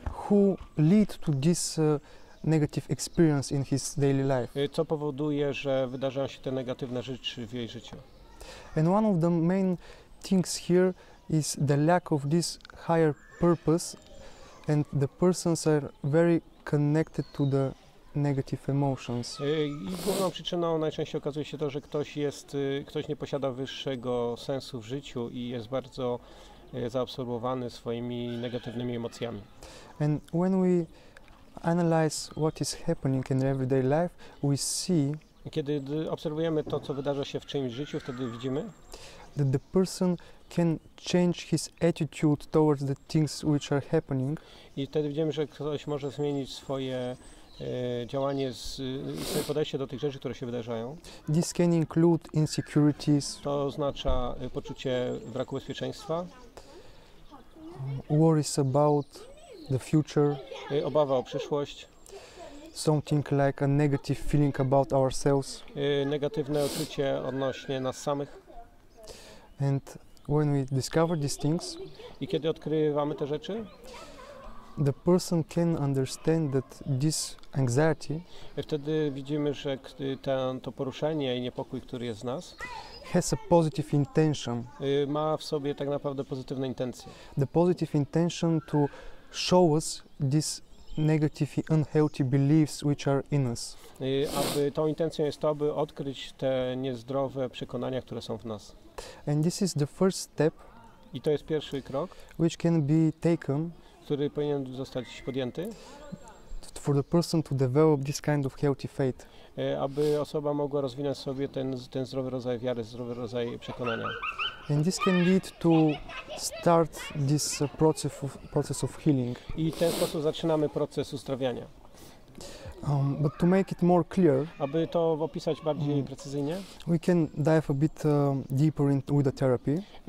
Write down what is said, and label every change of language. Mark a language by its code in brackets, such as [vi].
[en] Who lead to this negative experience in his daily life. [pl] Co powoduje, że wydarzają się te negatywne rzeczy w jej życiu? [en] And one of the main things here is the lack of this higher purpose, and the persons are very connected to the negative emotions. [pl] Główną przyczyną najczęściej okazuje się to, że ktoś nie posiada wyższego sensu w życiu i jest bardzo zaabsorbowany swoimi negatywnymi emocjami. [en] And when we analyze what is happening in everyday life, we see, [pl] kiedy obserwujemy to, co wydarza się w czyimś życiu, wtedy widzimy, [en] that the person can change his attitude towards the things which are happening. [pl] I wtedy widzimy, że ktoś może zmienić swoje działanie i swoje podejście do tych rzeczy, które się wydarzają. [en] This can include insecurities. [pl] To oznacza poczucie braku bezpieczeństwa. [en] Worries about the future. [pl] Obawa o przyszłość. [en] Something like a negative feeling about ourselves. [pl] Negatywne uczucie odnośnie nas samych. [en] And when we discover these things, [pl] i kiedy odkrywamy te rzeczy, [en] the person can understand that this anxiety, [pl] wtedy widzimy, że to poruszenie i niepokój, który jest w nas, [en] has a positive intention. [pl] Ma w sobie tak naprawdę pozytywne intencje. [en] The positive intention to show us these negative, unhealthy beliefs which are in us. [pl] Aby tą intencją jest to, aby odkryć te niezdrowe przekonania, które są w nas. [en] And this is the first step, [pl] i to jest pierwszy krok, [en] which can be taken, [pl] który powinien zostać podjęty, [en] for the person to develop this kind of healthy faith. [pl] Aby osoba mogła rozwinąć sobie ten zdrowy rodzaj wiary, zdrowy rodzaj przekonania. [en] And this can lead to start this process of healing. [pl] I w ten sposób zaczynamy proces uzdrawiania. [en] But to make it more clear, [pl] aby to opisać bardziej precyzyjnie, [en] we can dive a bit deeper into the therapy.